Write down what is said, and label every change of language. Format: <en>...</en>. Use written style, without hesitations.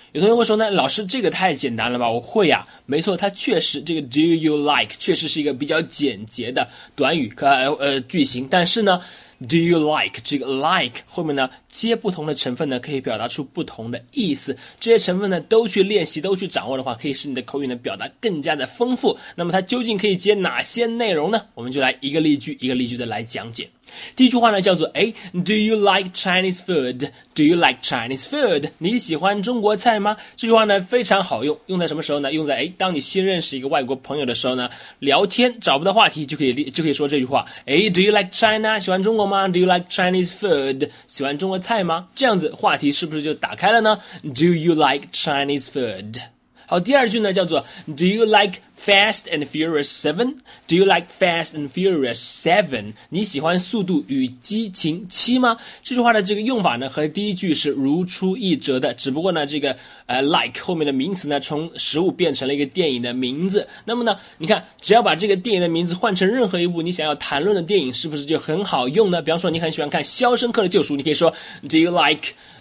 <zh>有同学会说呢，老师这个太简单了吧，我会啊。没错，它确实这个 Do you like 确实是一个比较简洁的短语句型，但是呢</zh> <en>Do you like?</en> <zh>这个 like 后面呢接不同的成分呢可以表达出不同的意思，这些成分呢都去练习都去掌握的话，可以使你的口语呢表达更加的丰富。那么它究竟可以接哪些内容呢？我们就来一个例句一个例句的来讲解。第一句话呢叫做</zh> <en>Do you like Chinese food? Do you like Chinese food?</en> <zh>你喜欢中国菜吗？这句话呢非常好用，用在什么时候呢？用在当你新认识一个外国朋友的时候呢，聊天找不到话题就可以说这句话。</zh> <en>Do you like China?</en> <zh>喜欢中国吗？</zh> <en>Do you like Chinese food?</en> <zh>喜欢中国菜吗？这样子话题是不是就打开了呢？</zh> <en>Do you like Chinese food?</en> <zh>好，第二句呢叫做</zh> <en>Do you like Fast and Furious 7? Do you like Fast and Furious 7?</en> <zh>你喜欢速度与激情7吗？这句话的这个用法呢和第一句是如出一辙的，只不过呢这个like 后面的名词呢从15变成了一个电影的名字。那么呢你看，只要把这个电影的名字换成任何一部你想要谈论的电影，是不是就很好用呢？比方说你很喜欢看《肖申克的救赎》，你可以说</zh> <en>Do you like...</en>